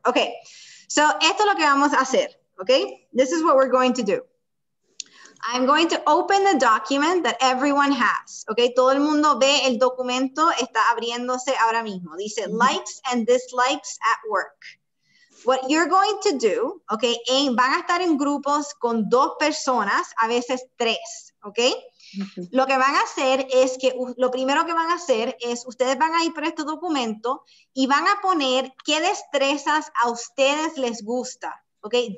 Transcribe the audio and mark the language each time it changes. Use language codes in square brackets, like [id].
[es] Okay, so esto es lo que vamos a hacer, okay? [en] This is what we're going to do. I'm going to open the document that everyone has, okay? [es] Todo el mundo ve el documento, está abriéndose ahora mismo. Dice [en] likes and dislikes at work. What you're going to do, [es] okay, van a estar en grupos con dos personas, a veces tres, okay? Lo que van a hacer es que, lo primero que van a hacer es, ustedes van a ir por este documento y van a poner qué destrezas a ustedes les gusta, okay?